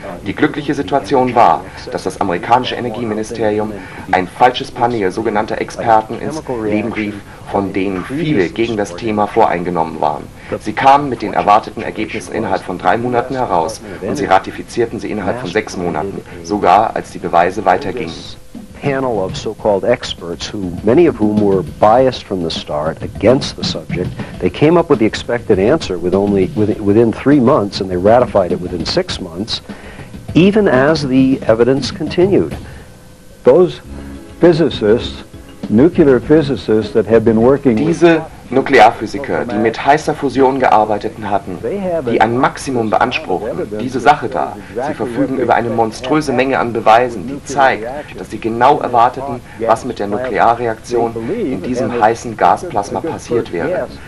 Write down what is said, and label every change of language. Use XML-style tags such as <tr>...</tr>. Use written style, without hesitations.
<de>Die glückliche Situation war, dass das amerikanische Energieministerium ein falsches Panel sogenannter Experten ins Leben rief, von denen viele gegen das Thema voreingenommen waren. Sie kamen mit den erwarteten Ergebnissen innerhalb von 3 Monaten heraus und sie ratifizierten sie innerhalb von 6 Monaten, sogar als die Beweise weitergingen.</de> <en>Panel of so-called experts, who many of whom were biased from the start against the subject, they came up with the expected answer within 3 months, and they ratified it within 6 months, even as the evidence continued. Those physicists, nuclear physicists that had been working with</en> <de>Nuklearphysiker, die mit heißer Fusion gearbeitet hatten, die ein Maximum beanspruchten, diese Sache da, sie verfügen über eine monströse Menge an Beweisen, die zeigt, dass sie genau erwarteten, was mit der Nuklearreaktion in diesem heißen Gasplasma passiert wäre.</de>